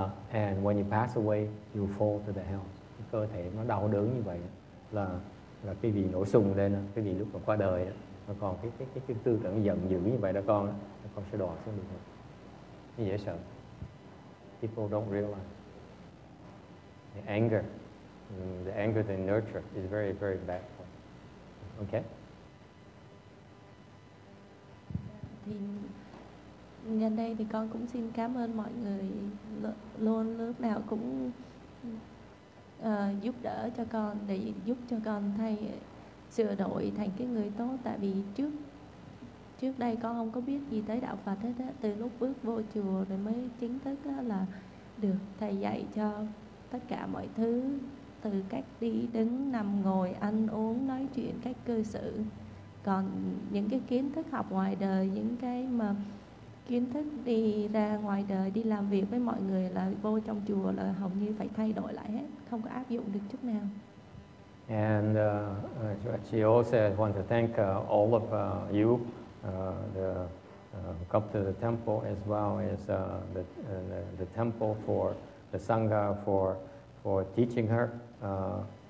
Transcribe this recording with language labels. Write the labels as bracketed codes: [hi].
[en] And when you pass away, you fall to the hell. [vi] Cái cơ thể nó đau đớn như vậy là cái vị nổi sùng lên, cái vị lúc mà qua đời. Mà còn cái tư tưởng giận dữ như vậy đó con, đó, con sẽ đọa xuống địa ngục. Nó dễ sợ. [en] People don't realize. The anger they nurture is very, very bad for you. Okay? [vi] Thì nhân đây thì con cũng xin cảm ơn mọi người luôn lúc nào cũng giúp đỡ cho con, để giúp cho con thay sửa đổi thành cái người tốt. Tại vì trước đây con không có biết gì tới đạo Phật hết á, từ lúc bước vô chùa rồi mới chính thức là được thầy dạy cho tất cả mọi thứ, từ cách đi đứng nằm ngồi ăn uống nói chuyện, cách cư xử. Còn những cái kiến thức học ngoài đời, những cái mà kiến thức đi ra ngoài đời đi làm việc với mọi người là vô trong chùa là hầu như phải thay đổi lại hết, không có áp dụng được chút nào. [en] And she also want to thank all of you, the come to the temple as well as the temple for the sangha for teaching her.